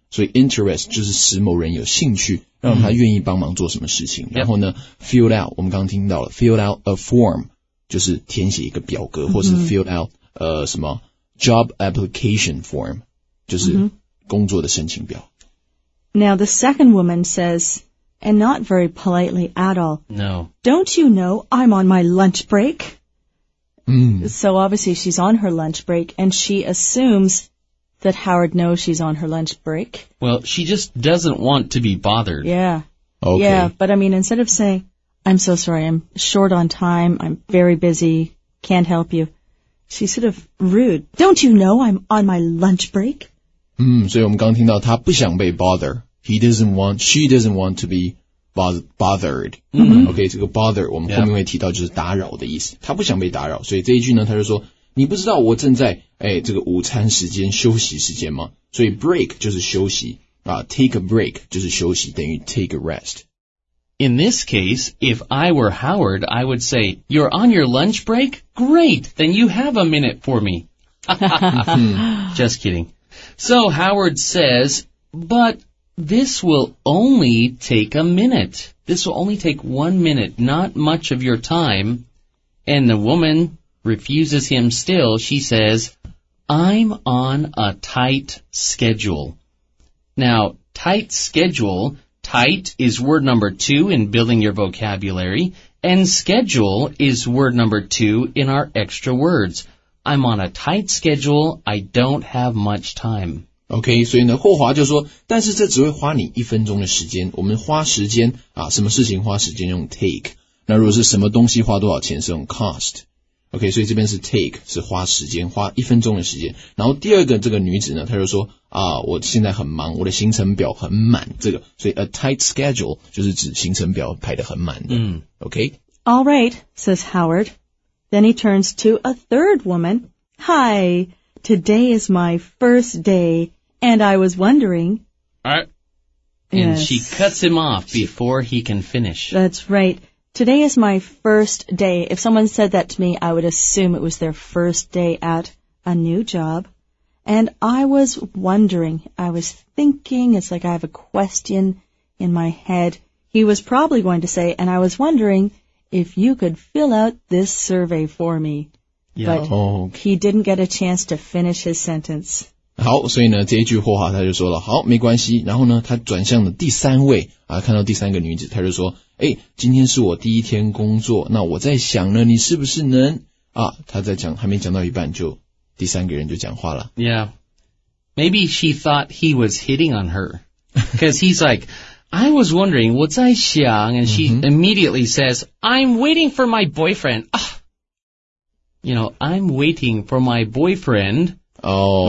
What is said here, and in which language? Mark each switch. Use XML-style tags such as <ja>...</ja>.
<zh>所以 interest 就是使某人有兴趣，让他愿意帮忙做什么事情。 Mm-hmm. 然后呢 ，fill out， 我们刚刚听到了 ，</zh> <en>fill out a form</en> <zh>就是填写一个表格， mm-hmm. 或是 fill out 什么 job application form 就是工作的申请表。</zh> <en>Now the second woman says, and not very politely at all. No. Don't you know I'm on my lunch break?、 Mm. So obviously she's on her lunch break, and she assumes. That Howard knows she's on her lunch break. Well, she just doesn't want to be bothered. Yeah. Okay. Yeah, but I mean, instead of saying, I'm so sorry, I'm short on time, I'm very busy, can't help you, she's sort of rude. Don't you know I'm on my lunch break?</en> <zh>所以我们刚听到她不想被 bother.</zh> <en>She doesn't want to be bothered.、 Mm-hmm.</en> <zh>Okay, 这个 bother 我们后面会提到就是打扰的意思。她不想被打扰，所以这一句呢，她就说你不知道我正在哎，这个午餐时间休息时间吗？所以 break 就是休息啊 ，</zh> <en>take a break</en> <zh>就是休息，等于</zh> <en>take a rest. In this case, if I were Howard, I would say, "You're on your lunch break. Great, then you have a minute for me." Just kidding. So Howard says, "But this will only take a minute. This will only take 1 minute, not much of your time." And the woman. Refuses him still, she says, I'm on a tight schedule. Now, tight schedule, tight is word number two in building your vocabulary, and schedule is word number two in our extra words. I'm on a tight schedule, I don't have much time.</en> <zh>Okay, 所以呢，霍华就说，但是这只会花你一分钟的时间，我们花时间啊，什么事情花时间用 take, 那如果是什么东西花多少钱是用 cost. OK, 所以这边是 take, 是花时间花一分钟的时间。然后第二个这个女子呢她就说啊我现在很忙我的行程表很满这个。所以 a tight schedule 就是指行程表排得很满的。</zh> <en>OK? All right, says Howard. Then he turns to a third woman. Hi, today is my first day and I was wondering. All right. And she cuts him off before he can finish. That's right. Today is my first day. If someone said that to me, I would assume it was their first day at a new job. And I was wondering, I was thinking, it's like I have a question in my head. He was probably going to say, and I was wondering if you could fill out this survey for me. Yeah. But he didn't get a chance to finish his sentence.</en> <zh>好，所以呢，这一句话哈，他就说了，好，没关系。然后呢，他转向了第三位啊，看到第三个女子，他就说，哎，今天是我第一天工作，那我在想呢，你是不是能啊？他在讲，还没讲到一半，就第三个人就讲话了。</zh> <en>Yeah, maybe she thought he was hitting on her, because he's like, I was wondering,</en> <zh>我在想</zh> <en>and she immediately says, I'm waiting for my boyfriend.、Ah, you know, I'm waiting for my boyfriend. Oh.</en>